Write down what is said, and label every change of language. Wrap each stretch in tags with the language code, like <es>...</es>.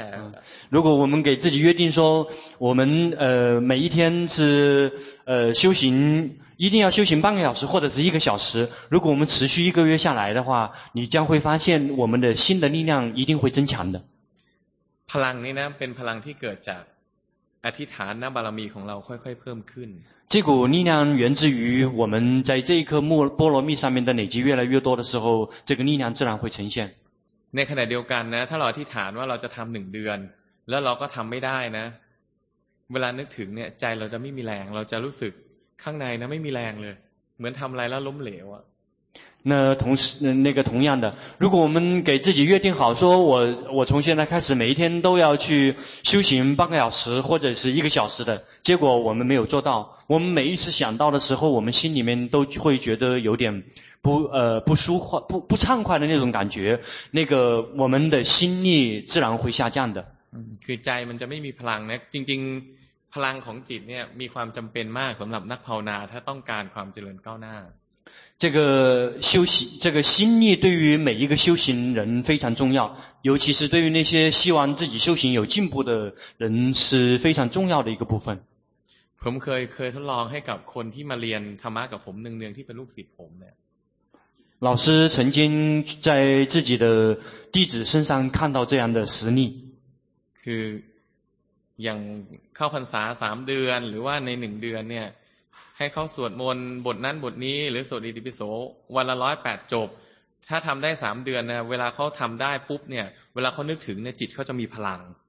<zh>如果我们给自己约定说我们每一天是修行一定要修行半个小时或者是一个小时如果我们持续一个月下来的话你将会发现我们的心的力量一定会增强的</zh> <th>พลังนี้นะเป็นพลังที่เกิดจากอธิษฐานบารมีของเราค่อยๆเพิ่มขึ้น</th> <zh>这股力量源自于我们在这一颗波罗蜜上面的累积越来越多的时候这个力量自然会呈现</zh> <th>ในขณะเดียวกันนะถ้าเราอธิษฐานว่าเราจะทำหนึ่งเดือนแล้วเราก็ทำไม่ได้นะเวลานึกถึงเนี่ยใจเราจะไม่มีแรงเราจะรู้สึกข้างในนะไม่มีแรงเลยเหมือนทำอะไรแล้วล้มเหลวอ่ะ</th> <zh>那同时那个同样的如果我们给自己约定好说我从现在开始每一天都要去修行半个小时或者是一个小时的结果我们没有做到我们每一次想到的时候我们心里面都会觉得有点不舒服不畅快的那种感觉那个我们的心力自然会下降的</zh> <th>คือใจมันจะไม่มีพลังนะจริงๆพลังของจิตเนี่ยมีความจำเป็นมากสำหรับนักภาวนาถ้าต้องการความเจริญก้าวหน้า</th> <zh>这个修行这个心力对于每一个修行人非常重要尤其是对于那些希望自己修行有进步的人是非常重要的一个部分</zh> <th>ผมเคยทดลองให้กับคนที่มาเรียนธรรมะกับผมหนึ่งเดือนที่เป็นลูกศิษย์ผมเนี่ย</th> <zh>老师曾经在自己的弟子身上看到这样的实力</zh> <th>คืออย่างเข้าพรรษา3เดือนหรือว่าใน1เดือนเนี่ยให้เขาสวดมนต์บทนั้นบทนี้หรือสวดอิติปิโสวันละ108จบถ้าทำได้3เดือนนะเวลาเขาทำได้ปุ๊บเนี่ยเวลาเขานึกถึงเนี่ยจิตเขาจะมีพลัง</th>